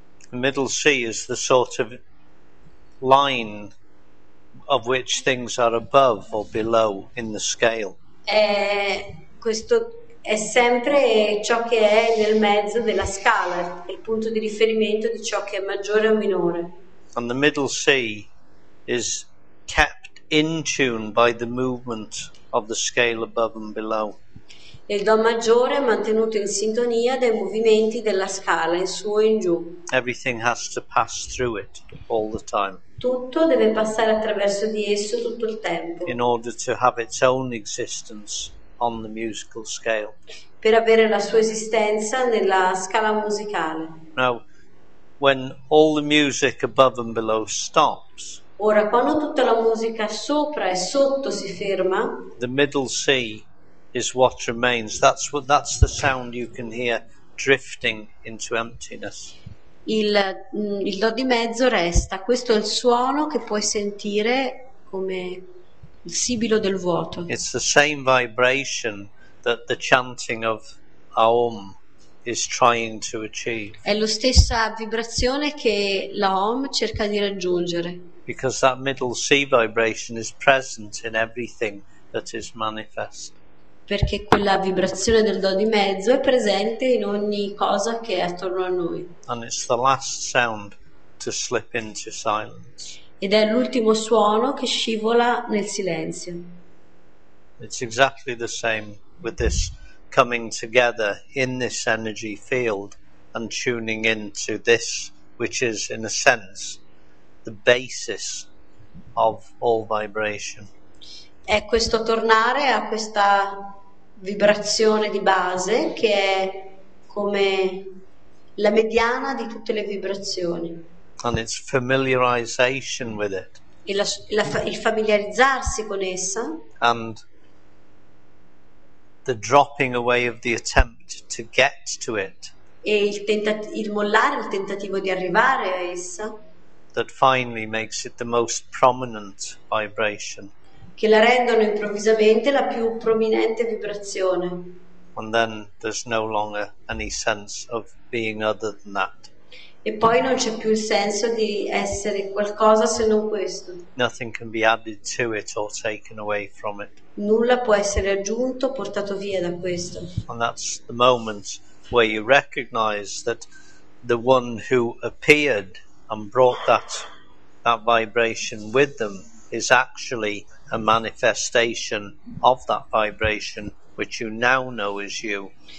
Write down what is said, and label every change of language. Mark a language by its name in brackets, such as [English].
[English] The middle C is the sort of line of which things are above or below in the scale. [Italian] Questo è sempre ciò che è nel mezzo della scala, il punto di riferimento di ciò che è maggiore o minore. [English] And the middle C is kept in tune by the movement of the scale above and below. [Italian] Il do maggiore è mantenuto in sintonia dai movimenti della scala in su e in giù. [English] Everything has to pass through it all the time. [Italian] Tutto deve passare attraverso di esso tutto il tempo. [English] In order to have its own existence on the musical scale. [Italian] Per avere la sua esistenza nella scala musicale. [English] Now, when all the music above and below stops. [Italian] Ora, quando tutta la musica sopra e sotto si ferma. [English] The middle C is what remains. That's the sound you can hear drifting into emptiness. [Italian] Il do di mezzo resta. Questo è il suono che puoi sentire come il sibilo del vuoto. [English] It's the same vibration that the chanting of Aum is trying to achieve. [Italian] È la stessa vibrazione che la Aum cerca di raggiungere. [English] Because that middle C vibration is present in everything that is manifest. [Italian] Perché quella vibrazione del do di mezzo è presente in ogni cosa che è attorno a noi. [English] And it's the last sound to slip into silence. [Italian] Ed è l'ultimo suono che scivola nel silenzio. [English] It's exactly the same with this coming together in this energy field and tuning into this, which is in a sense the basis of all vibration. [Italian] È questo tornare a questa vibrazione di base che è come la mediana di tutte le vibrazioni. [English] And its familiarization with it. [Italian] E il familiarizzarsi con essa. [English] And the dropping away of the attempt to get to it. [Italian] E il mollare, il tentativo di arrivare a essa. [English] That finally makes it the most prominent vibration. [Italian] Che la rendono improvvisamente la più prominente vibrazione. [English] And then there's no longer any sense of being other than that. [Italian] E poi non c'è più il senso di essere qualcosa se non questo. [English] Nothing can be added to it or taken away from it. [Italian] Nulla può essere aggiunto o portato via da questo. [English] And that's the moment where you recognize that the one who appeared and brought that vibration with them is actually a manifestation of that vibration which you now know as you.